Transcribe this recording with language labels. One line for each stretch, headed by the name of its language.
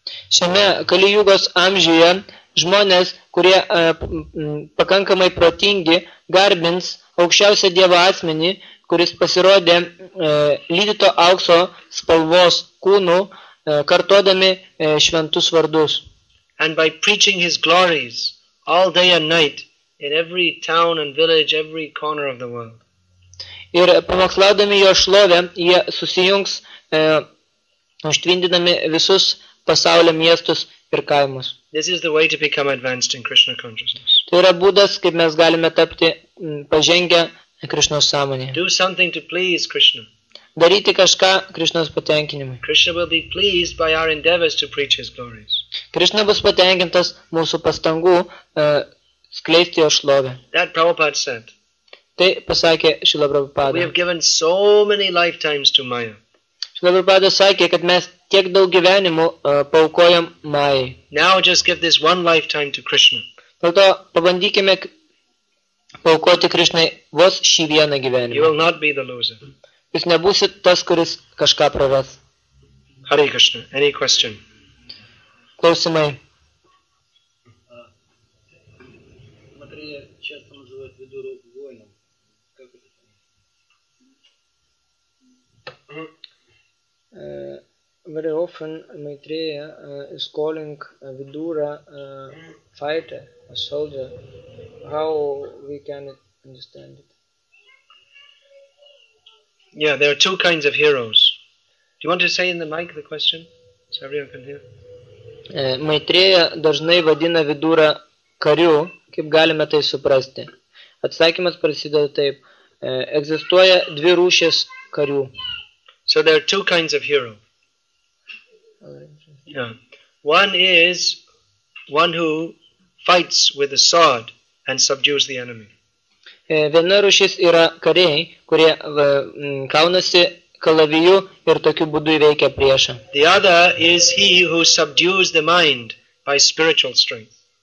Lithuanian: Šiame Kali Jugos amžiuje žmonės, kurie pakankamai protingi, garbins aukščiausią Dievo asmenį, kuris pasirodė lydyto aukso spalvos kūnu, kartodami šventus vardus.
English: And by preaching his glories all day and night in every town and village, every corner of the world.
Lithuanian: Ir pamokslaudami jo šlovę, jie susijungs, užtvindydami visus pasaulio miestus ir kaimus.
English: This is the way to become advanced in Krishna consciousness.
Lithuanian: Tai yra būdas, kaip mes galime tapti pažengę Krishnos sąmonėje.
English: Do something to please Krishna.
Lithuanian: Daryti kažką Krishnos patenkinimui.
English: Krishna will be pleased by our endeavors to preach his glories.
Lithuanian: Krishna bus patenkintas mūsų pastangų skleisti jo šlovę.
English: That Prabhupada said.
Lithuanian: Tai pasakė Šrila Prabhupada.
English: We have given so many lifetimes to Maya.
Lithuanian: Šrila Prabhupada sakė, kad mes tiek daug gyvenimų paukojam Majai.
English: Now just give this one lifetime to Krishna.
Lithuanian: Dėl to pabandykime paukoti Krishnai vos šį vieną gyvenimą.
English: You will not be the loser.
Lithuanian: Jūs nebūsit tas, kuris kažką praras.
English: Hare Krishna, any question?
Lithuanian: Klausimai.
English: Very often Maitreya is calling Vidura a fighter, a soldier. How we can understand it? Yeah, there are two kinds of heroes. Do you want to say in the mic the question so everyone can hear?
Lithuanian: Maitreya dažnai vadina Vidura kariu. Kaip galime tai suprasti? Atsakymas prasideda taip. Egzistuoja dvi rūšės karių.
English: So there are two kinds of hero. Yeah. One is one who fights with a sword and subdues the enemy.
Lithuanian: Viena rūšis yra kariai, kurie kaunasi kalaviju ir tokiu būdu įveikia priešą.
English: The other is he who subdues the mind by spiritual strength.